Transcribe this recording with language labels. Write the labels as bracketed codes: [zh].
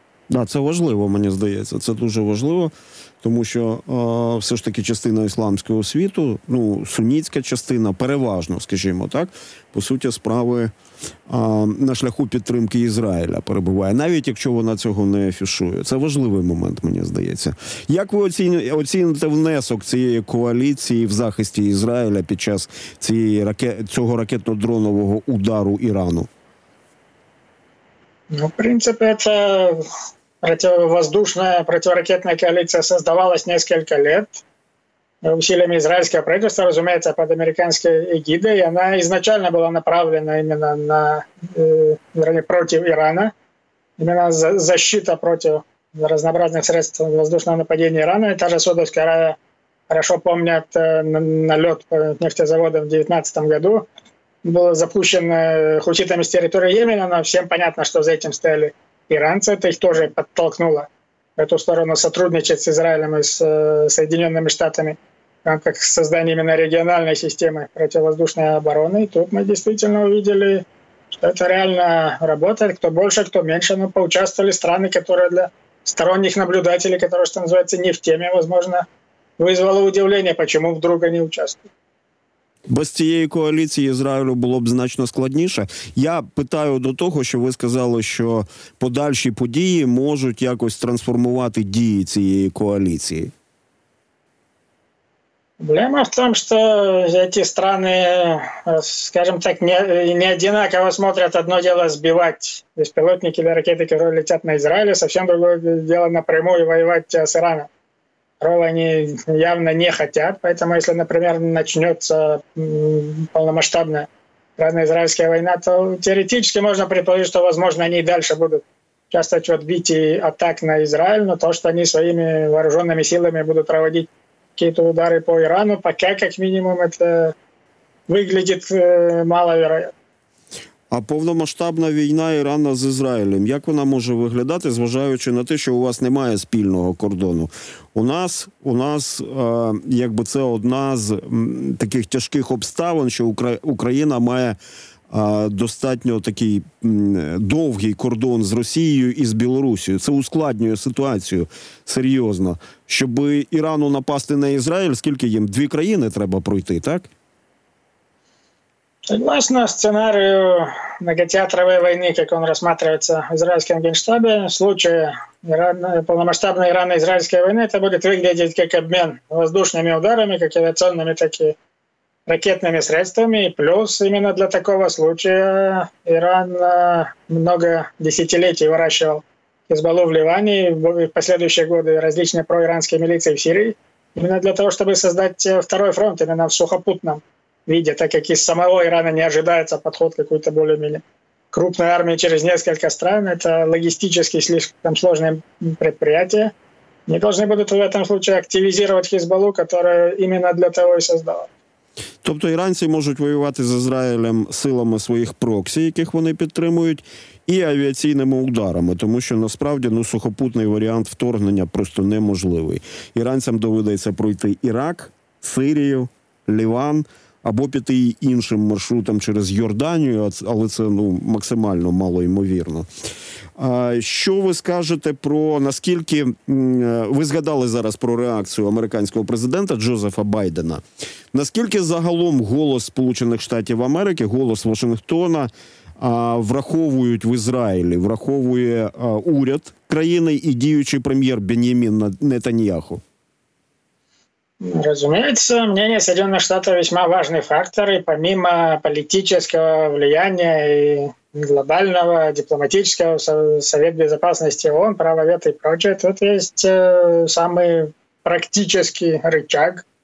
[uk] Да, це важливо, мені здається. Це дуже важливо, тому що все ж таки частина ісламського світу, ну, сунітська частина, переважно, скажімо так, по суті справи на шляху підтримки Ізраїля перебуває, навіть якщо вона цього не афішує. Це важливий момент, мені здається. Як ви оціните внесок цієї коаліції в захисті Ізраїля під час цього ракетно-дронового удару Ірану? [ru] Ну, [uk] в принципі, [ru] це противовоздушная, противоракетная коалиция создавалась несколько лет усилиями израильского правительства, разумеется, под американской эгидой. Она изначально была направлена именно на, вернее, против Ирана, именно защита против разнообразных средств воздушного нападения Ирана. И та же Саудовская Аравия хорошо помнит налет нефтезавода в 2019 году. Был запущен хуситами с территории Йемена, но всем понятно, что за этим стояли иранцы. Это их тоже подтолкнуло в эту сторону сотрудничать с Израилем и с Соединенными Штатами в рамках создания именно региональной системы противовоздушной обороны. И тут мы действительно увидели, что это реально работает. Кто больше, кто меньше. Но поучаствовали страны, которые для сторонних наблюдателей, которые, что называется, не в теме, возможно, вызвало удивление, почему вдруг они участвуют. [uk] Без цієї коаліції Ізраїлю було б значно складніше. Я питаю до того, що ви сказали, що подальші події можуть якось трансформувати дії цієї коаліції. Проблема в тому, що ці країни, скажімо так, не однаково дивляться. Одне діло збивати безпілотники чи ракети, які летять на Ізраїль, зовсім інше діло напряму воювати з Іраном. [ru] Второго они явно не хотят, поэтому если, например, начнется полномасштабная ирано-израильская война, то теоретически можно предположить, что, возможно, они и дальше будут участвовать в отбитии атак на Израиль, но то, что они своими вооруженными силами будут проводить какие-то удары по Ирану, пока, как минимум, это выглядит маловероятно. [uk] А повномасштабна війна Ірана з Ізраїлем, як вона може виглядати, зважаючи на те, що у вас немає спільного кордону? У нас якби це одна з таких тяжких обставин, що Україна має достатньо такий довгий кордон з Росією і з Білорусією. Це ускладнює ситуацію серйозно. Щоб Ірану напасти на Ізраїль, скільки їм? Дві країни треба пройти, так? [ru] Согласно сценарию многотеатровой войны, как он рассматривается в израильском генштабе, в случае полномасштабной ирано-израильской войны это будет выглядеть как обмен воздушными ударами, как авиационными, так и ракетными средствами. И плюс именно для такого случая Иран много десятилетий выращивал Хизбаллу в Ливане и в последующие годы различные проиранские милиции в Сирии, именно для того, чтобы создать второй фронт именно в сухопутном виде, так как из самого Ирана не ожидается подход какой-то более-менее крупной армии через несколько стран. Это логистически слишком сложное предприятие. Не должны будут в этом случае активизировать Хизбаллу, которая именно для того и создала. [uk] Тобто іранці можуть воювати з Ізраїлем силами своїх проксі, яких вони підтримують, і авіаційними ударами, тому що насправді сухопутний варіант вторгнення просто неможливий. Іранцям доведеться пройти Ірак, Сирію, Ліван, або піти іншим маршрутом через Йорданію, але це максимально малоймовірно. Що ви скажете про, наскільки, ви згадали зараз про реакцію американського президента Джозефа Байдена, наскільки загалом голос Сполучених Штатів Америки, голос Вашингтона враховують в Ізраїлі, враховує уряд країни і діючий прем'єр Беньямін Нетаньяху? [ru] Разумеется, мнение Соединенных Штатов весьма важный фактор, и помимо политического влияния и глобального, дипломатического, Совет Безопасности ООН, право вето и прочее, тут есть самый практический рычаг.